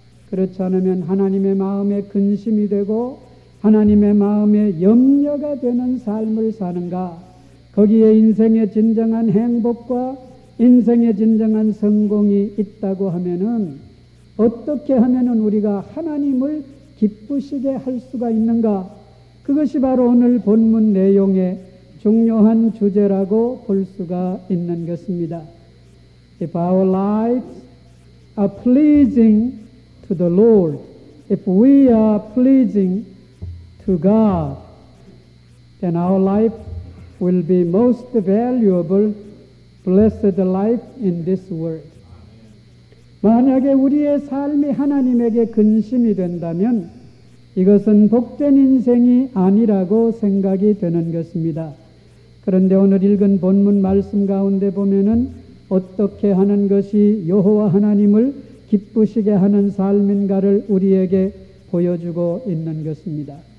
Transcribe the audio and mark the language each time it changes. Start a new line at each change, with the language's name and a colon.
Korean: 그렇지 않으면 하나님의 마음에 근심이 되고 하나님의 마음에 염려가 되는 삶을 사는가, 거기에 인생의 진정한 행복과 인생의 진정한 성공이 있다고 하면은 어떻게 하면은 우리가 하나님을 기쁘시게 할 수가 있는가, 그것이 바로 오늘 본문 내용의 중요한 주제라고 볼 수가 있는 것입니다.
English: If our lives are pleasing to the Lord, if we are pleasing to God, then our life will be most valuable, blessed life in this world.
Korean: 만약에 우리의 삶이 하나님에게 근심이 된다면 이것은 복된 인생이 아니라고 생각이 되는 것입니다. 그런데 오늘 읽은 본문 말씀 가운데 보면은 어떻게 하는 것이 여호와 하나님을 기쁘시게 하는 삶인가를 우리에게 보여주고 있는 것입니다.